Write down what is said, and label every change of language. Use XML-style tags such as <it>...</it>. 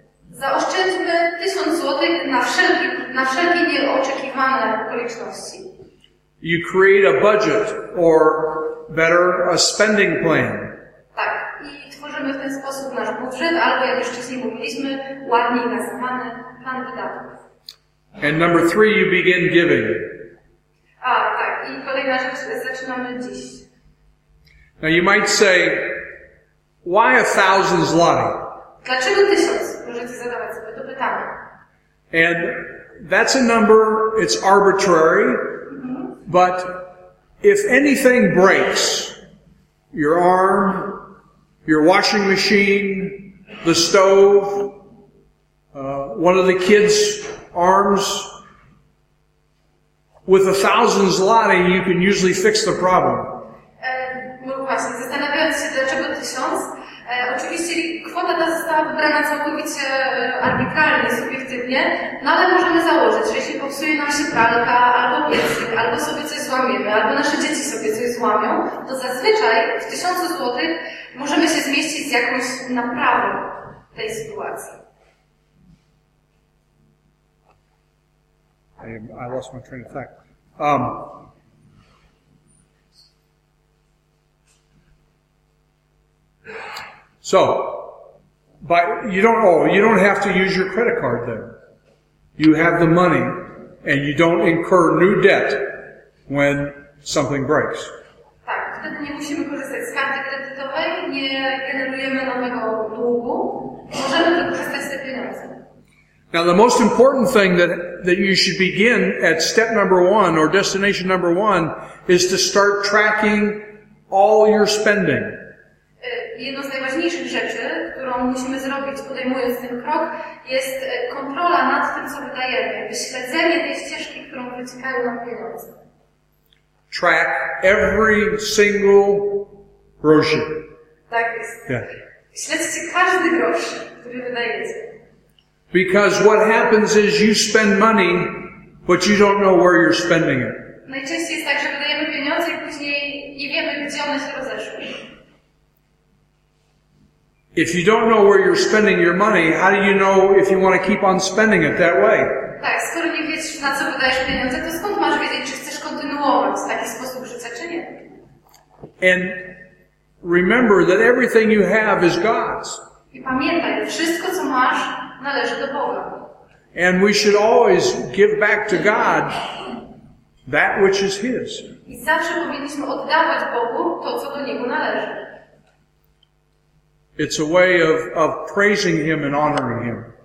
<pl>Zaoszczędzmy 1,000 zlotys na wszelkie nieoczekiwane okoliczności.</pl> <en>You create a budget, or better, a spending plan.</en> <pl>Tak, i tworzymy w ten sposób nasz budżet, albo jak już wcześniej mówiliśmy, ładnie nazwany plan wydatków.</pl> <en>And number 3, you begin giving.</en> <pl>Tak. I kolejna rzecz, zaczynamy dziś.</pl> <en>Now you might say, why 1,000 zloty?</en> <pl>Dlaczego 1,000? Możecie zadawać sobie to pytanie.</pl> <en>And that's a number, it's arbitrary, but if anything breaks, your arm, your washing machine, the stove, one of the kids' arms, with 1,000 zloty, you can usually fix the problem.</en> <pl>Właśnie, zastanawiając się, dlaczego 1,000, oczywiście kwota ta została wybrana całkowicie arbitralnie, subiektywnie, no ale możemy założyć, że jeśli popsuje nam się pralka, albo piecyk, albo sobie coś złamiemy, albo nasze dzieci sobie coś złamią, to zazwyczaj w 1,000 zlotys możemy się zmieścić z jakąś naprawą tej sytuacji.</pl> <en>I lost my train of thought. So, but you don't have to use your credit card there. You have the money, and you don't incur new debt when something breaks.</en> <pl>Tak, wtedy nie musimy korzystać z karty kredytowej, nie generujemy nowego długu, możemy wykorzystać te pieniądze.</pl> <en>Now the most important thing that you should begin at step number one or destination number one is to start tracking all your spending.</en> <pl>Jedną z najważniejszych rzeczy, którą musimy zrobić podejmując ten krok, jest kontrola nad tym, co wydajemy, wyśledzenie tej ścieżki, którą wyciekają nam pieniądze.</pl> <en>Track every single grosz.</en> <pl>Tak jest. Yeah. Śledźcie każdy grosz, który wydajecie.</pl> <en>Because what happens is you spend money, but you don't know where you're spending it.</en> <pl>Najczęściej jest tak, że wydajemy pieniądze i później nie wiemy, gdzie one się rozeszły.</pl> <en>If you don't know where you're spending your money, how do you know if you want to keep on spending it that way?</en> <pl>Tak, skoro nie wiesz, na co wydajesz pieniądze, to skąd masz wiedzieć, czy chcesz kontynuować w taki sposób życia, czy nie?</pl> <en>And remember that everything you have is God's.</en> <pl>I pamiętaj, wszystko, co masz, należy do Boga.</pl> <en>And we should always give back to God that which is His.</en> <pl>I zawsze powinniśmy oddawać Bogu to, co do Niego należy.</pl> <en>It's a way of praising Him and honoring Him.</en>